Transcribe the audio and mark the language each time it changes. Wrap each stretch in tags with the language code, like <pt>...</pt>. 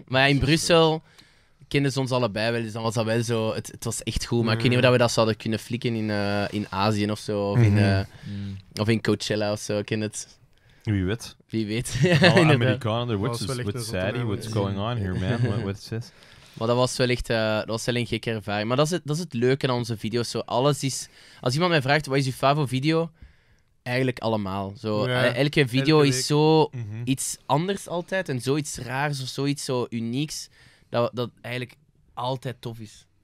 <nl>Maar ja, in Brussel kenden ze ons allebei wel, dus dan was dat wel zo. Het was echt goed, maar ik weet niet of we dat zouden kunnen flikken in Azië of zo, of in Coachella of zo, ik ken het. Wie weet. Alle</nl> <en>Amerikanen, what's Zeddy, what's going on here, man? What's this?</en> <nl>Maar dat was wellicht een gekke ervaring. Maar dat is het leuke aan onze video's. Zo, alles is... Als iemand mij vraagt, wat is je favoriete video? Eigenlijk allemaal. Zo, elke video is zo iets anders altijd. En zoiets raars of zoiets zo unieks. Dat eigenlijk altijd tof is.</nl>